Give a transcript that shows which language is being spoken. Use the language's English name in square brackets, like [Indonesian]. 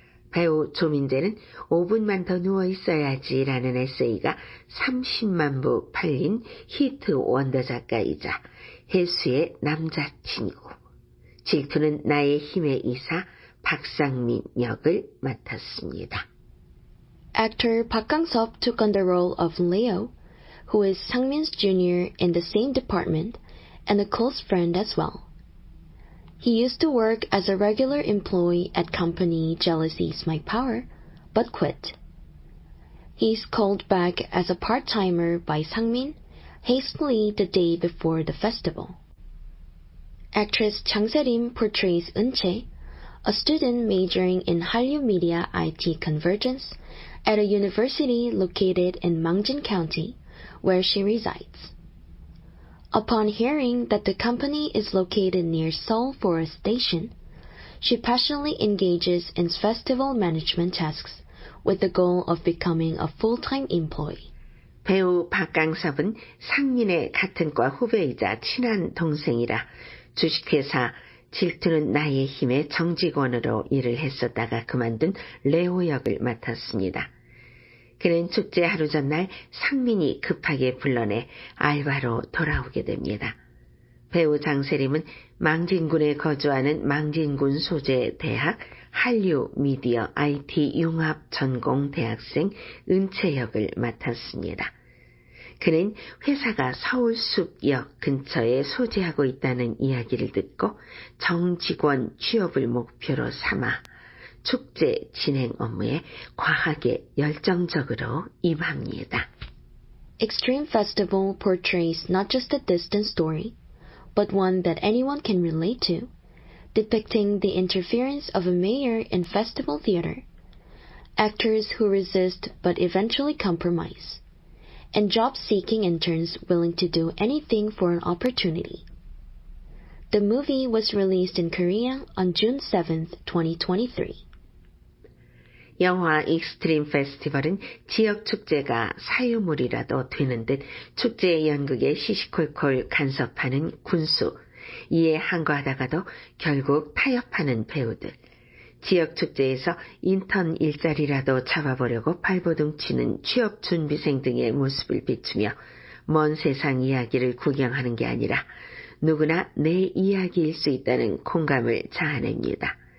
[Korean] 배우 조민재는 5분만 더 누워있어야지 라는 에세이가 30만 부 팔린 히트 원더 작가이자 해수의 남자친구 질투는 나의 힘의 이사 박상민 역을 맡았습니다. [English] Actor Park Kang-sop took on the role of Leo, who is Sangmin's junior in the same department and a close friend as well. He used to work as a regular employee at company Jealousy Is My Power, but quit. He's called back as a part-timer by Sangmin hastily the day before the festival. Actress Chang Se-rim portrays Eun-che, a student majoring in Hallyu Media IT Convergence at a university located in Mangjin County, where she resides. Upon hearing that the company is located near Seoul Forest Station, she passionately engages in festival management tasks with the goal of becoming a full-time employee. [Korean] 배우 박강섭은 상민의 같은 과 후배이자 친한 동생이라 주식회사 질투는 나의 힘의 정직원으로 일을 했었다가 그만둔 레오 역을 맡았습니다. 그는 축제 하루 전날 상민이 급하게 불러내 알바로 돌아오게 됩니다. 배우 장세림은 망진군에 거주하는 망진군 소재 대학 한류 미디어 IT 융합 전공 대학생 은채 역을 맡았습니다. 그는 회사가 서울숲역 근처에 소재하고 있다는 이야기를 듣고 정직원 취업을 목표로 삼아 축제 진행 업무에 과하게 열정적으로 임합니다. [English] Extreme Festival portrays not just a distant story, but one that anyone can relate to, depicting the interference of a mayor in festival theater, actors who resist but eventually compromise, and job-seeking interns willing to do anything for an opportunity. The movie was released in Korea on June 7, 2023. [Korean] 영화 익스트림 페스티벌은 지역 축제가 사유물이라도 되는 듯 축제 연극에 시시콜콜 간섭하는 군수, 이에 한거하다가도 결국 타협하는 배우들, 지역 축제에서 인턴 일자리라도 잡아보려고 발버둥치는 취업 준비생 등의 모습을 비추며 먼 세상 이야기를 구경하는 게 아니라 누구나 내 이야기일 수 있다는 공감을 자아냅니다.